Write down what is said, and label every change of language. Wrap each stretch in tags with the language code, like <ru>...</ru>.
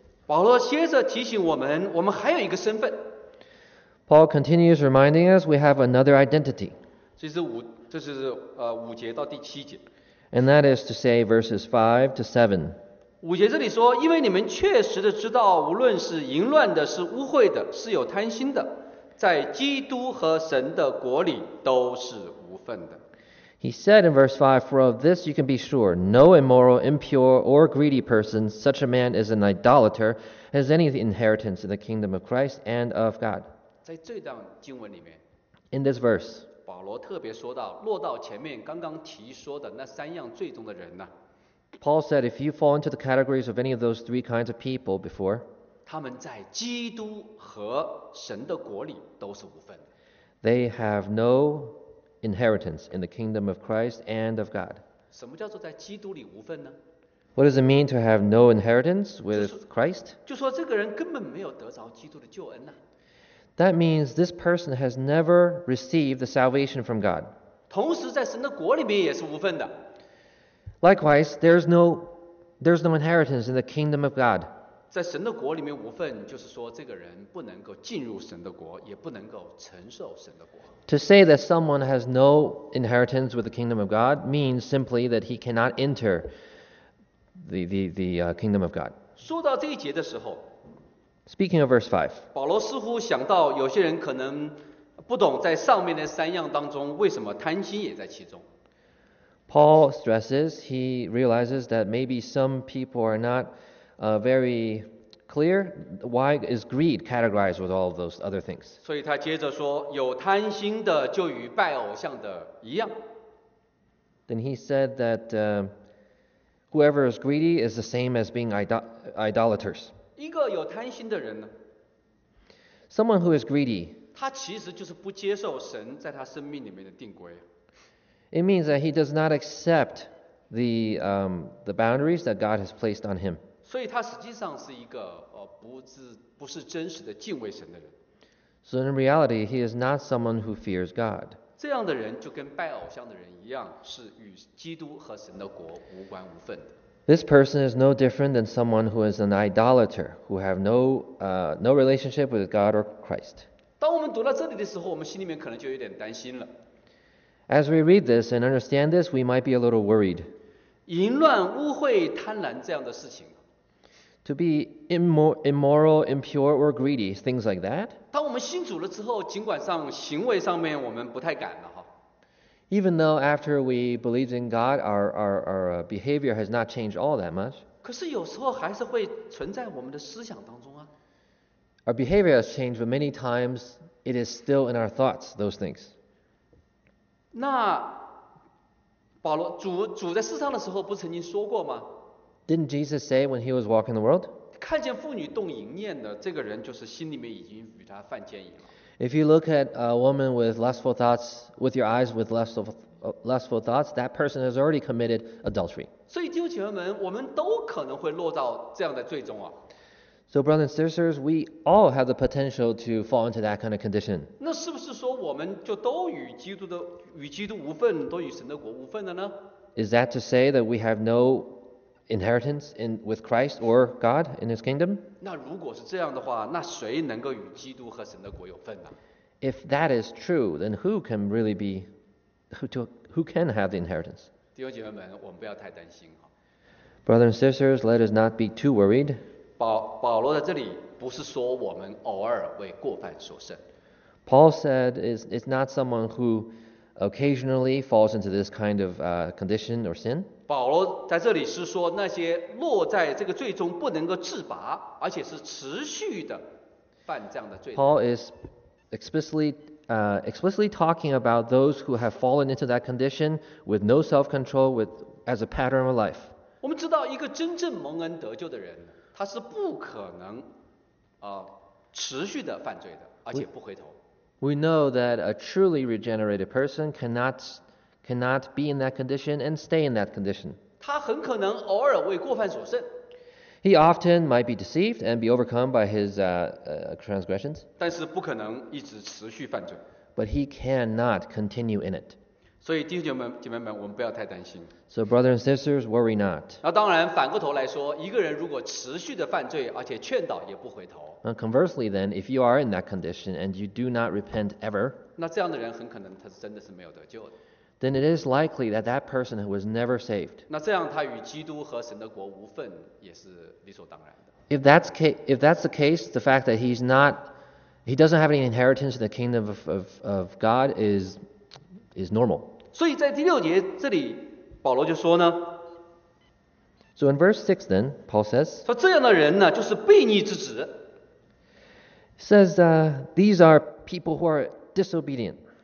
<zh>保罗接着提醒我们，我们还有一个身份。</zh> <en>Paul continues reminding us we have another identity.</en> <zh>这是五节到第七节。</zh> <en>And that is to say verses 5-7.</en> <zh>五节这里说，因为你们确实的知道，无论是淫乱的，是污秽的，是有贪心的，在基督和神的国里都是无份的。</zh> <en>He said in verse 5, For of this you can be sure, no immoral, impure, or greedy person, such a man is an idolater, has any inheritance in the kingdom of Christ and of God.</en> <zh>在这段经文里面,</zh> <en>in this verse,</en> <zh>保罗特别说到, 落到前面刚刚提说的那三样罪中的人呢,</zh> <en>Paul said, if you fall into the categories of any of those three kinds of people before,</en> <zh>他们在基督和神的国里都是无份的。</zh> <en>They have no inheritance in the kingdom of Christ and of God.</en> <zh>什么叫做在基督里无份呢?</zh> <en>What does it mean to have no inheritance with Christ?</en> <zh>就说这个人根本没有得着基督的救恩啊。</zh> <en>That means this person has never received the salvation from God.</en> <zh>同时在神的国里面也是无份的。</zh> <en>Likewise, there's no inheritance in the kingdom of God.</en> <zh>在神的国里面无份，就是说这个人不能够进入神的国，也不能够承受神的国。</zh> <en>To say that someone has no inheritance with the kingdom of God means simply that he cannot enter the kingdom of God.</en> <zh>说到这一节的时候</zh> <en>，Speaking of verse 5，</en> <zh>保罗似乎想到有些人可能不懂在上面的三样当中为什么贪心也在其中。</zh> <en>Paul stresses, he realizes that maybe some people are not very clear why is greed categorized with all of those other things.</en> <zh>所以他接着说，有贪心的就与拜偶像的一样。</zh> <en>Then he said that whoever is greedy is the same as being idolaters.</en> <zh>一个有贪心的人呢？</zh> <en>Someone who is greedy,</en> <zh>他其实就是不接受神在他生命里面的定规。</zh> <en>It means that he does not accept the boundaries that God has placed on him.</en> <zh>所以他实际上是一个不是真实的敬畏神的人。</zh> <en>So in reality, he is not someone who fears God.</en> <zh>这样的人就跟拜偶像的人一样，是与基督和神的国无关无分的。</zh> <en>This person is no different than someone who is an idolater, who have no relationship with God or Christ.</en> <zh>当我们读到这里的时候，我们心里面可能就有点担心了。</zh> <en>As we read this and understand this, we might be a little worried.</en> <zh>淫乱、污秽、贪婪这样的事情。</zh> <en>To be immoral, impure, or greedy, things like that.</en> <zh>当我们信主了之后，尽管上行为上面我们不太敢了哈。</zh> <en>Even though after we believed in God, our behavior has not changed all that much.</en> <zh>可是有时候还是会存在我们的思想当中啊。</zh> <en>Our behavior has changed, but many times it is still in our thoughts, those things.</en> <zh>那保罗主在世上的时候不曾经说过吗？</zh> <en>Didn't Jesus say when he was walking the world?</en> <zh>看见妇女动淫念的这个人就是心里面已经与他犯奸淫了。</zh> <en>If you look at a woman with lustful thoughts, with your eyes with lustful thoughts, that person has already committed adultery.</en> <zh>所以弟兄姐妹们，我们都可能会落到这样的罪中啊。</zh> <en>So brothers and sisters, we all have the potential to fall into that kind of condition.</en> <zh>那是不是说我们就都与基督无份，都与神的国无份了呢？</zh> <en>Is that to say that we have no inheritance in with Christ or God in His kingdom?</en> <zh>那如果是这样的话，那谁能够与基督和神的国有份呢？</zh> <en>If that is true, then who can really be who can have the inheritance?</en> <zh>弟兄姐妹们，我们不要太担心哈。</zh> <en>Brothers and sisters, let us not be too worried.</en> <zh>保罗在这里不是说我们偶尔为过犯所胜。</zh> <en>Paul said it's not someone who occasionally falls into this kind of condition or sin.</en> <zh>保罗在这里是说那些落在这个罪中不能够自拔，而且是持续的犯这样的罪。</zh> <en>Paul is explicitly talking about those who have fallen into that condition with no self-control with as a pattern of life.</en> <zh>我们知道一个真正蒙恩得救的人他是不可能持续的犯罪的，而且不回头。</zh> <en>We know that a truly regenerated person cannot be in that condition and stay in that condition.</en> <zh>他很可能偶尔为过犯所胜。</zh> <en>He often might be deceived and be overcome by his transgressions.</en> <zh>但是不可能一直持续犯罪。</zh> <en>But he cannot continue in it.</en> <zh>所以弟兄姐妹们，我们不要太担心。</zh> <en>So brothers and sisters, worry not.</en> <zh>那当然，反过头来说，一个人如果持续的犯罪，而且劝导也不回头。</zh> <en>And conversely, then, if you are in that condition and you do not repent ever,</en> <zh>那这样的人很可能他是真的是没有得救的。</zh> <en>Then it is likely that that person was never saved.</en> <zh>那这样他与基督和神的国无份也是理所当然的。</zh> <en>If that's the case, the fact that he doesn't have any inheritance in the kingdom of God is normal.</en> <zh>所以在第六节这里保罗就说呢，</zh> <en>So in verse 6 then Paul says,</en> <zh>说这样的人呢就是悖逆之子，</zh> <en>says these are people who are disobedient.</en>